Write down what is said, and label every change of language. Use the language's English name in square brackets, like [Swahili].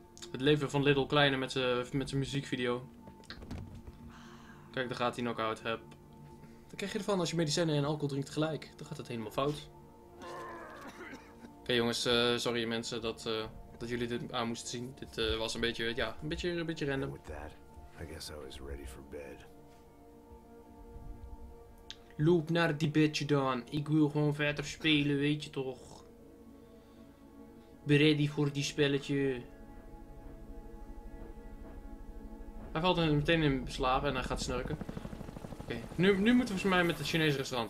[Dutch] Het leven van Little Kleine met zijn muziekvideo. Kijk, daar gaat hij knock-out, heb. Dan krijg je ervan als je medicijnen en alcohol drinkt tegelijk. Dan gaat het helemaal fout. Oké, jongens, sorry mensen dat jullie dit aan moesten zien. Dit was een beetje, ja, een beetje random. [English] With that, I guess I was ready for bed. [Dutch] Loop naar die bedje dan. Ik wil gewoon verder spelen, weet je toch. [English] Be ready [Dutch] voor die spelletje. Hij valt meteen in slaap en hij gaat snurken. Oké, nu moeten we volgens mij met het Chinese restaurant.